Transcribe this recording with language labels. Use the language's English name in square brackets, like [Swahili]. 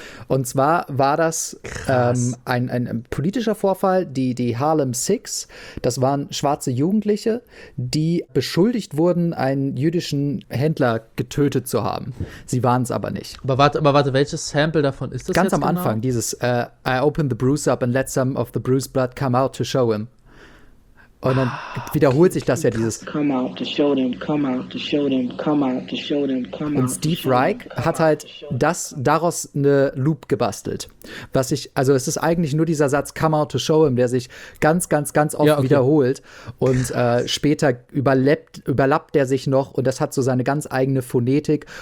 [German] Und zwar war das ein politischer Vorfall, die Harlem Six, das waren schwarze Jugendliche, die beschuldigt wurden, einen jüdischen Händler getötet zu haben. Sie waren es aber nicht. Aber warte, welches Sample davon ist das ganz jetzt am genau? Anfang, dieses [English] I opened the bruise up and let some of the bruised blood come out to show him. [German] Und dann wiederholt sich das ja, dieses [English] come out to show them, come out to show them, come out to show them, come out. [German] Und Steve Reich hat halt daraus eine Loop gebastelt. Also es ist eigentlich nur dieser Satz [English] come out to show him, [German] der sich ganz, ganz, ganz oft wiederholt. Und später überlappt er sich noch und das hat so seine ganz eigene Phonetik.